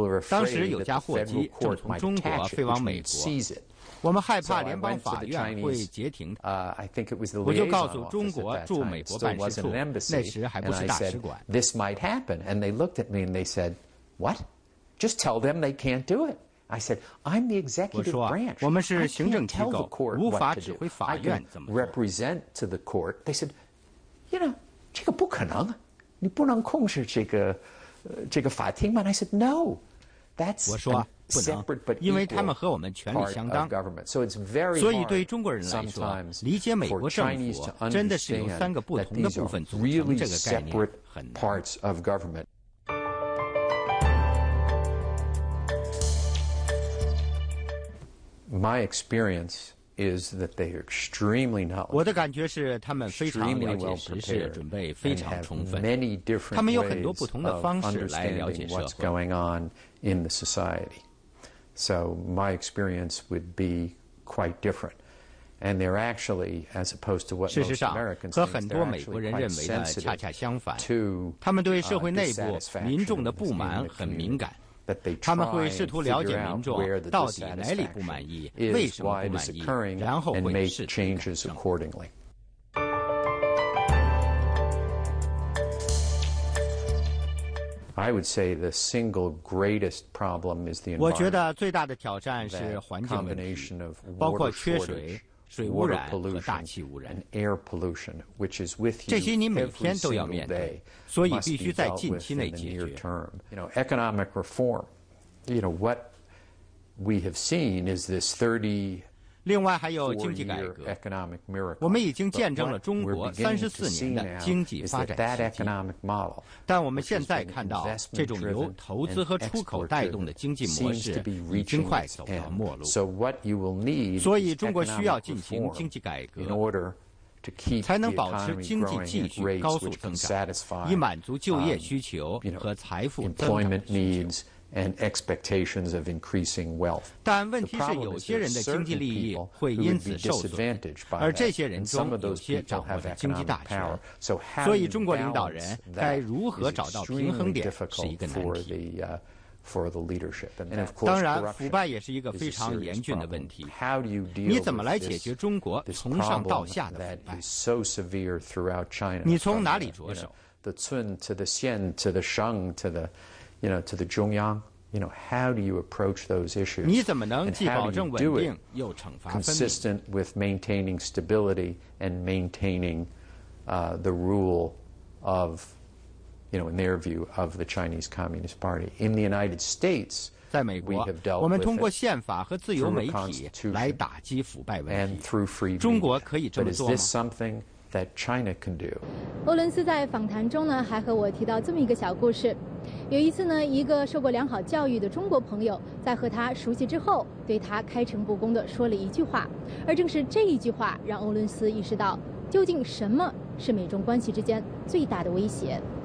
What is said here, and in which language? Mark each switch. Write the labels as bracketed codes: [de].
[zh] 当时有架货机正从中国飞往美国，我们害怕联邦法院会截停它，我就告诉中国驻美国办事处，那时还不是大使馆。 [en] This might happen, and they looked at me and they said, "What? Just tell them they can't do it." I said, "I'm the executive branch." [zh] 我们是行政机构，无法指挥法院怎么做。 [en] Represent to the court. They said, "You know, [zh] 这个不可能，你不能控制这个法庭吗?" [en] I said, "No, that's." [zh] 不能，因为他们和我们权力相当，所以对中国人来说，理解美国政府真的是由三个不同的部分组成，这个概念很难。 [en] My experience is that they are extremely knowledgeable. [zh] 我的感觉是他们非常了解时事，准备非常充分。他们有很多不同的方式来了解 [en] what's going on in the society. So my experience would be quite different. And they're actually, as opposed to what most Americans think, they're actually quite sensitive to dissatisfaction in this community. [zh] 事实上，和很多美国人认为的恰恰相反，他们对社会内部民众的不满很敏感。他们会试图了解民众到底哪里不满意，为什么不满意，然后会试图改正。 [en] I would say the single greatest problem is the environment. [zh] 我觉得最大的挑战是环境问题，包括缺水。水污染和大气污染 [en] air pollution, which is with you [zh] 这些你每天都要面对，所以必须在近期内解决。 [en] Economic reform, you know, what we have seen is this 30 [zh] 另外还有经济改革 [en] economic miracle, [zh] 我们已经见证了中国34年的经济发展奇迹，但我们现在看到这种由投资和出口带动的经济模式已经快走到末路。所以中国需要进行经济改革，才能保持经济继续高速增长，以满足就业需求和财富增长需求。 [en] And expectations of increasing wealth. [zh] 但问题是，有些人的经济利益会因此受损，而这些人中有些掌握着经济大权。所以，中国领导人该如何找到平衡点是一个难题。当然，腐败也是一个非常严峻的问题。你怎么来解决中国从上到下的腐败？你从哪里着手 [en] ？The Cun to the Xian to the Sheng to the You know, to the Zhongyang, you know, how do you approach those issues? [zh] 你怎么能既保证稳定又惩罚分明 [en] ？Consistent with maintaining stability and maintaining the rule of, you know, in their view of the Chinese Communist Party in the United States. [zh] 在美国，我们通过宪法和自由媒体来打击腐败问题。中国可以这么做吗 [en] ？But is this something that China can do? [zh] 欧伦斯在访谈中呢，还和我提到这么一个小故事。有一次呢，一个受过良好教育的中国朋友在和他熟悉之后，对他开诚布公地说了一句话，而正是这一句话让欧伦斯意识到究竟什么是美中关系之间最大的威胁。